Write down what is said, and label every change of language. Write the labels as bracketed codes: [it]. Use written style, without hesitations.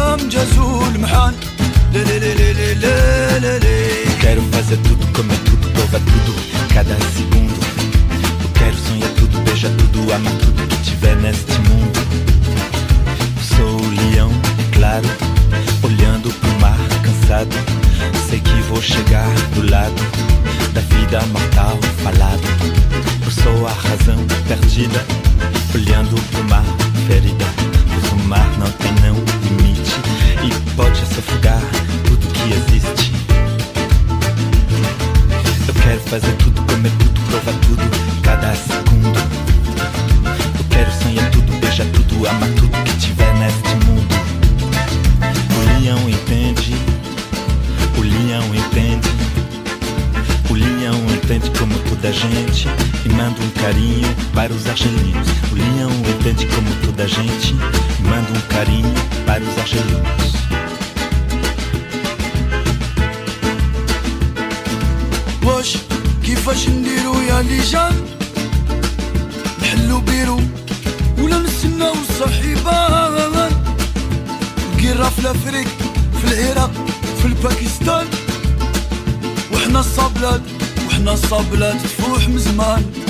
[pt] جزول محان ليه ليه ليه ليه ليه ليه ليه ليه quero fazer tudo, comer tudo, provar tudo, cada segundo. Eu quero sonhar tudo, beijar tudo, amar tudo que tiver neste mundo. Eu sou o leão, claro, olhando pro mar cansado. Sei que vou chegar do lado da vida mortal falada. Eu sou a razão perdida, olhando pro mar ferida. Pois o mar não tem nenhum limite e pode se afogar tudo que existe. Eu quero fazer tudo, comer tudo, provar tudo, cada segundo. Eu quero sonhar tudo, beijar tudo, amar tudo que tiver neste mundo. O leão entende, o leão entende. O leão entende como toda gente e manda um carinho para os argelinos. O leão entende como toda gente e manda um carinho para os argelinos. [ar] واش كيفاش نديرو يا ليجان نحلو بيرو ولا نستناو صاحبان القرا في الافريق في العراق في الباكستان وحنا الصابلات وحنا الصابلات تفوح من زمان